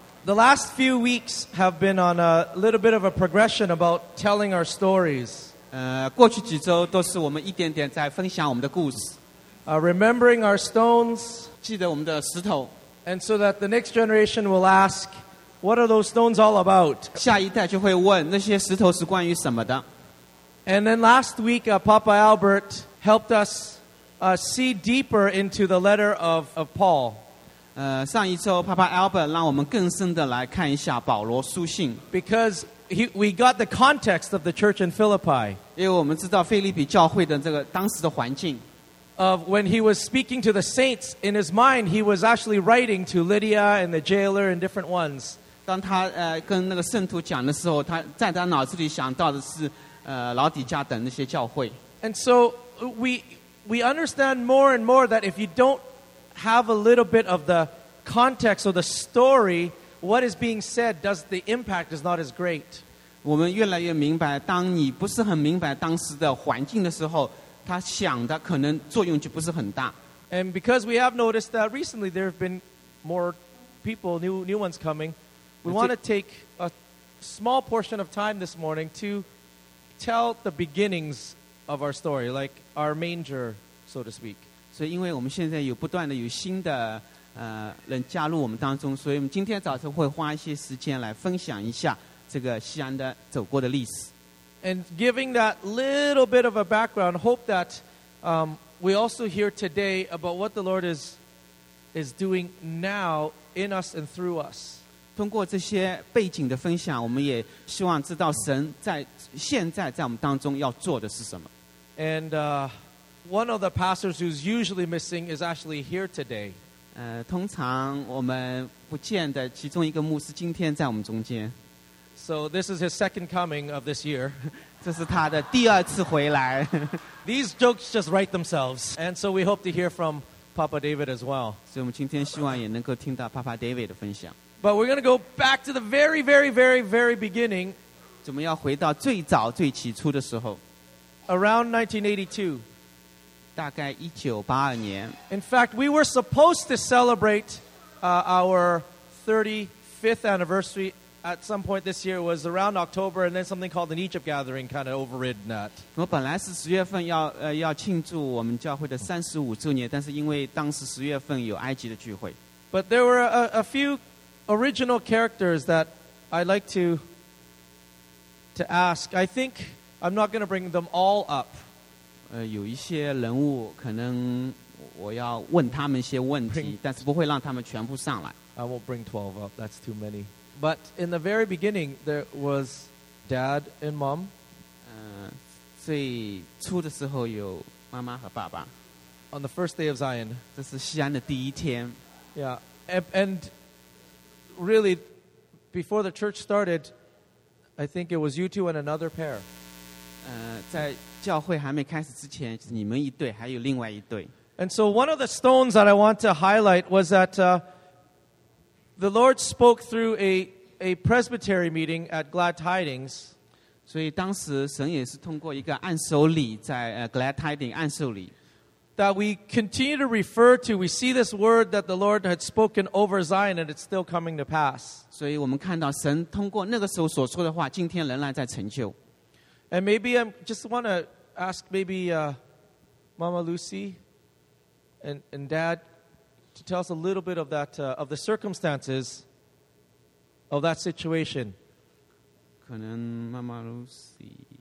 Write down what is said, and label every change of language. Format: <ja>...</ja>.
<en>The last few weeks have been on a little bit of a progression about telling our stories.</en> <zh>过去几周都是我们一点点在分享我们的故事。</zh> <en>Remembering our stones.</en> <zh>记得我们的石头。</zh> <en>And so that the next generation will ask, what are those stones all about?</en> <zh>下一代就会问那些石头是关于什么的。</zh> <en>And then last week, Papa Albert helped us see deeper into the letter of Paul.</en> <zh>上一周 Papa Albert 让我们更深的来看一下保罗书信。</zh> <en>Because we got the context of the church in Philippi.</en> <zh>因为我们知道腓立比教会的这个当时的环境。</zh> <en>Of when he was speaking to the saints, in his mind, he was actually writing to Lydia and the jailer and different ones.</en> <zh>当他跟那个圣徒讲的时候，他在他脑子里想到的是老底家等那些教会。</zh> <en>And so we understand more and more that if you don't have a little bit of the context or the story, what is being said, does the impact is not as great.</en> <zh>我们越来越明白，当你不是很明白当时的环境的时候，他想的可能作用就不是很大。</zh> <en>And because we have noticed that recently there have been more people, new ones coming, we want to take a small portion of time this morning to tell the beginnings of our story, like our manger, so to speak.</en> <zh>所以因为我们现在有不断的有新的人加入我们当中，所以我们今天早晨会花一些时间来分享一下这个西安的走过的历史。</zh> <en>And giving that little bit of a background, hope that we also hear today about what the Lord is doing now in us and through us.</en> <zh>通过这些背景的分享，我们也希望知道神在现在在我们当中要做的是什么。</zh> <en>And one of the pastors who's usually missing is actually here today.</en> <zh>通常我们不见的其中一个牧师今天在我们中间。</zh> <en>So this is his second coming of this year.</en> <zh>这是他的第二次回来。</zh> <en>These jokes just write themselves. And so we hope to hear from Papa David as well.</en> <zh>所以我们今天希望也能够听到 Papa David 的分享。</zh> <en>But we're going to go back to the very, very, very, very beginning.</en> <zh>我们要回到最早最起初的时候。</zh> <en>Around 1982.</en> <zh>大概1982年。</zh> <en>In fact, we were supposed to celebrate our 35th anniversary at some point this year. It was around October, and then something called an Egypt gathering kind of overridden that.</en> <zh>我本来是十月份要庆祝我们教会的三十五周年，但是因为当时十月份有埃及的聚会。</zh> <en>But there were a few original characters that I'd like to ask. I think I'm not going to bring them all up.</en> <zh>有一些人物可能我要问他们一些问题，但是不会让他们全部上来。</zh> <en>I won't bring 12 up. That's too many. But in the very beginning, there was dad and mom.</en> <zh>最初的时候有妈妈和爸爸。</zh> <en>On the first day of Zion.</en> <zh>这是西安的第一天。</zh> <en>Yeah. And really, before the church started, I think it was you two and another pair.</en> <zh>在教会还没开始之前，就是你们一对，还有另外一对。</zh> <en>And so one of the stones that I want to highlight was that the Lord spoke through a presbytery meeting at Glad Tidings.</en> <zh>所以当时神也是通过一个按手礼在Glad Tidings 按手礼。</zh> <en>That we continue to refer to, we see this word that the Lord had spoken over Zion and it's still coming to pass.</en> <zh>所以我们看到神通过那个时候所说的话今天仍然在成就。</zh> <en>And maybe I just want to ask maybe Mama Lucy and Dad to tell us a little bit of that, of the circumstances of that situation.</en> <zh>可能 Mama Lucy.</zh>